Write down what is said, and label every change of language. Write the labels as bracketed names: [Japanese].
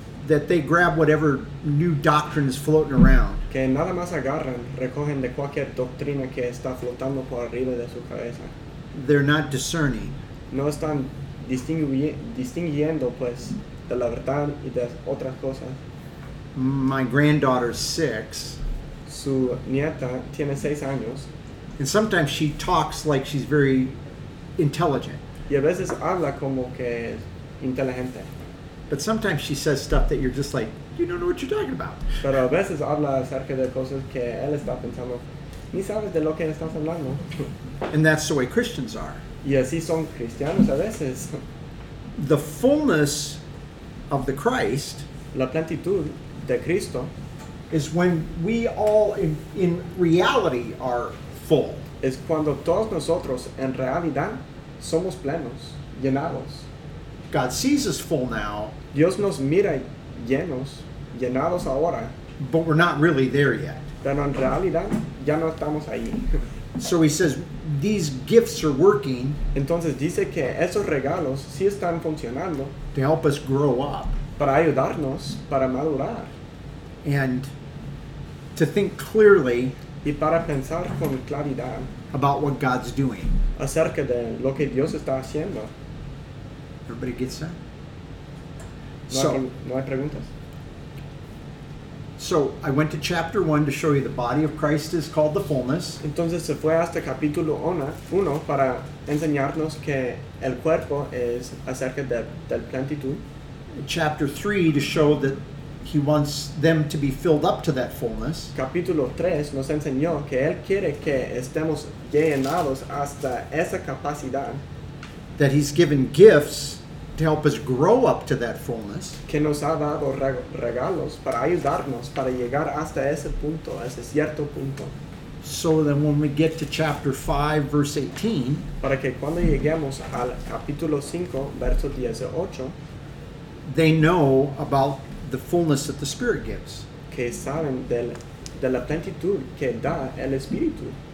[English] That they grab whatever new doctrine is floating around. [Spanish] Que nada más agarran, recogen de cualquier doctrina que está flotando por arriba de su cabeza. [English] They're not discerning. [Spanish] No están distinguiendo pues de la verdad y de otras cosas. [English] My granddaughter's 6. [Spanish] Su nieta tiene 6 años. [English] And sometimes she talks like she's very intelligent. [Spanish] Y a veces habla como que es inteligente. [English] But sometimes she says stuff that you're just like, you don't know what you're talking about. [Spanish] Pero a veces habla acerca de cosas que él está pensando, ni sabes de lo que estás hablando. [English] And that's the way Christians are. [Spanish] Y así son cristianos a veces. [English] The fullness of the Christ, [Spanish] la plenitud de Cristo, [English] is when we all in reality are full. [Spanish] Es cuando todos nosotros en realidad somos plenos, llenados. [English] God sees us full now. [Spanish] Dios nos mira llenos, llenados ahora. [English] But we're not really there yet. [Spanish] Pero en realidad ya no estamos ahí. [English] So he says, these gifts are working. [Spanish] Entonces dice que esos regalos sí están funcionando. [English] To help us grow up. [Spanish] Para ayudarnos, para madurar. [English] And to think clearly. [Spanish] Y para pensar con claridad. [English] About what God's doing. [Spanish] Acerca de lo que Dios está haciendo. [English] Everybody gets that? [Spanish] No hay preguntas. [English] So I went to chapter 1 to show you the body of Christ is called the fullness. [Spanish] Entonces se fue hasta capítulo 1 para enseñarnos que el cuerpo es acerca del plenitud. [English] Chapter 3 to show that He wants them to be filled up to that fullness. [Spanish] Capítulo 3 nos enseñó que Él quiere que estemos llenados hasta esa capacidad. [English] That He's given gifts to help us grow up to that fullness. [Spanish] Que nos ha dado regalos para ayudarnos para llegar hasta ese punto, ese cierto punto. [English] So then when we get to chapter 5, verse 18. [Spanish] Para que cuando lleguemos al capítulo 5, verso 18. [English] They know about the fullness that the Spirit gives. [Spanish] Que saben de la plenitud que da el Espíritu.